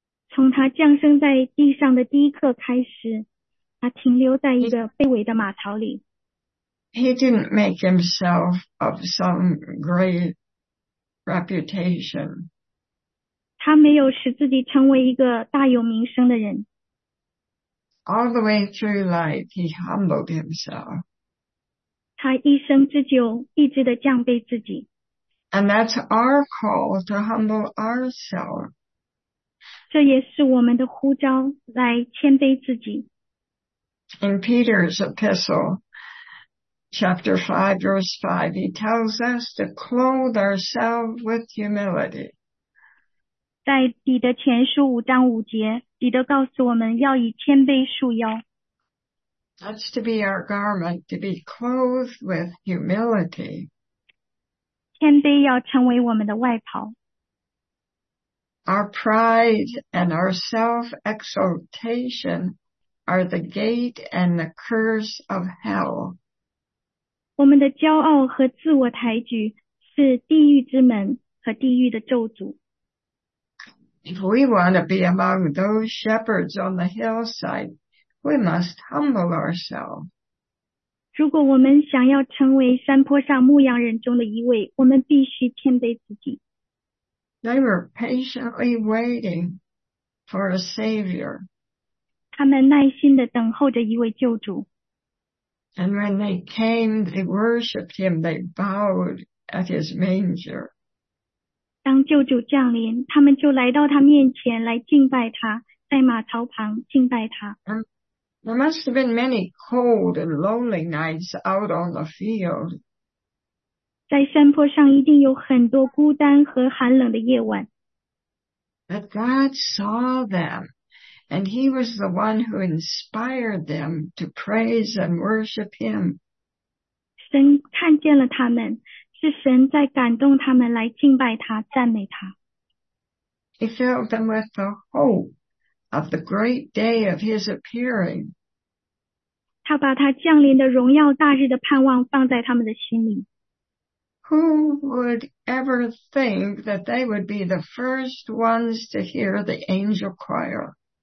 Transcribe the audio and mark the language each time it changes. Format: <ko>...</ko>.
<zh>从他降生在地上的第一刻开始，他停留在一个卑微的马槽里。</zh> <en>He didn't make himself of some great reputation.</en> <zh>他没有使自己成为一个大有名声的人。</zh> <en>All the way through life, he humbled himself.</en> <zh>他一生之久，一直地降卑自己。</zh> <en>And that's our call to humble ourselves.</en> <zh>这也是我们的呼召，来谦卑自己。</zh> <en>In Peter's epistle, chapter 5, verse 5, he tells us to clothe ourselves with humility.</en> <zh>在彼得前书五章五节，彼得告诉我们要以谦卑束腰。</zh> <en>That's to be our garment, to be clothed with humility.</en> <zh>谦卑要成为我们的外袍。</zh> <en>Our pride and our self-exaltation are the gate and the curse of hell.</en> <zh>我们的骄傲和自我抬举是地狱之门和地狱的咒诅。</zh> <en>If we want to be among those shepherds on the hillside, we must humble ourselves.</en> <zh>如果我们想要成为山坡上牧羊人中的一位，我们必须谦卑自己。</zh> <en>They were patiently waiting for a savior.</en> <zh>他们耐心地等候着一位救主。</zh> <en>And when they came, they worshipped him, they bowed at his manger.</en> <zh>当救主降临，他们就来到他面前来敬拜他，在马槽旁敬拜他。</zh> <en>There must have been many cold and lonely nights out on the field.</en> <zh>在山坡上一定有很多孤单和寒冷的夜晚。</zh> <en>But God saw them, and he was the one who inspired them to praise and worship him.</en> <zh>神看见了他们，是神在感动他们来敬拜他，赞美他。</zh> <en>He filled them with the hope of the great day of his appearing.</en> <zh>他把他降临的荣耀大日的盼望放在他们的心里。</zh> <en>Who would ever think that they would be the first ones to hear the angel choir?</en>